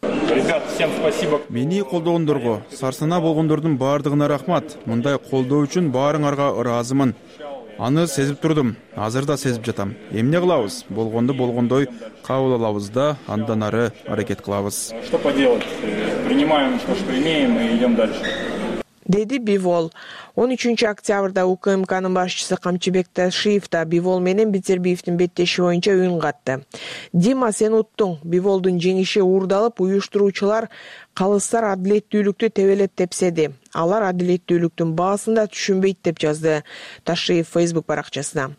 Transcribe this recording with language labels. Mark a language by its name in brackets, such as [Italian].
[Russian] Ребят, всем спасибо. [Kyrgyz] Мени колдогондорго, сарсана болгондордун баардыгына рахмат. Мындай колдоо үчүн баарыңарга ыраазымын. Аны сезип турдум, азырда сезип жатам. Эмне кылабыз? Болгонду болгондой кабыл алабыз да андан ары аракет кылабыз. [Russian] Что поделать? Принимаем то, что имеем, и идем дальше. [Kyrgyz] Деди Бивол. 13 октябрда УКМКнын башчысы Камчыбек Ташиев да Бивол менен Битербиевдин беттеши боюнча үн катты. Дима, сен уттуң. Биволдун жеңиши уурдалып, уюштуруучулар калыстар адилеттүүлүктү тебелет тепседи. Алар адилеттүүлүктүн баасында түшүнбөйт деп жазды Ташиев Facebook баракчасына.